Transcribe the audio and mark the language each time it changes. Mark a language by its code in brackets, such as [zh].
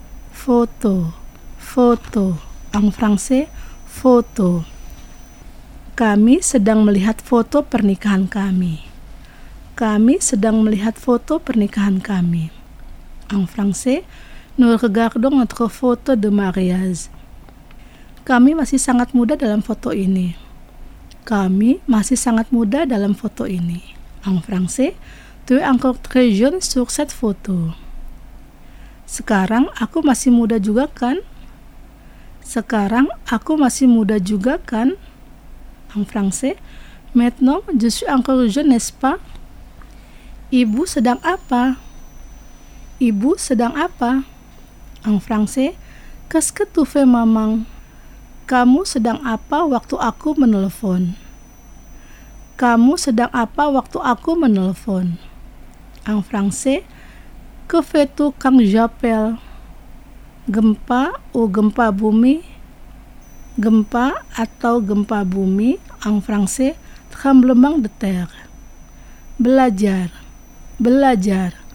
[fr] Photo, photo. En français, photo. [id] Kami sedang melihat foto pernikahan kami. Kami sedang melihat foto pernikahan kami. [fr] En français, nous regardons notre photo de mariage. [id] Kami masih sangat muda dalam foto ini. Kami masih sangat muda dalam foto ini. [fr] En français, tu es encore très jeune sur cette photo. [id] Sekarang aku masih muda juga kan? Sekarang aku masih muda juga kan? [fr] En français, maintenant je suis encore jeune, n'est-ce pas? [id] Ibu sedang apa? Ibu sedang apa? [fr] En français, qu'est-ce que tu fais, maman? [id] Kamu sedang apa waktu aku menelpon? Kamu sedang apa waktu aku menelpon? [fr] En français, que fais-tu quand j'appelle? [id] Gempa ou gempa bumi? Gempa atau gempa bumi? [fr] En français, tremblement de terre. [id] Belajar, belajar.